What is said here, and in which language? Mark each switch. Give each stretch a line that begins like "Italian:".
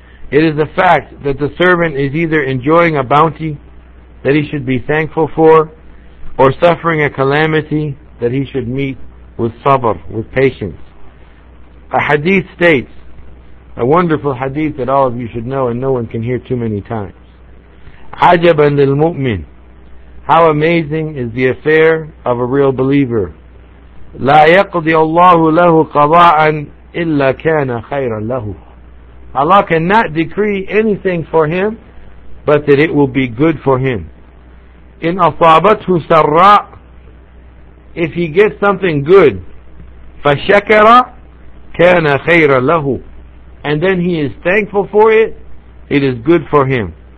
English: It is a fact that the servant is either enjoying a bounty that he should be thankful for, or suffering a calamity that he should meet with sabr, with patience. A hadith states, a wonderful hadith that all of you should know and no one can hear too many times.
Arabic: عجبا للمؤمن
English: How amazing is the affair of a real believer.
Arabic: لا يقضي الله له قضاء إلا كان خيرا له.
English: Allah cannot decree anything for him, but that it will be good for him.
Arabic: إن أصابته سراء,
English: if he gets something good,
Arabic: فشكر كان خيرا له,
English: and then he is thankful for it, it is good for him.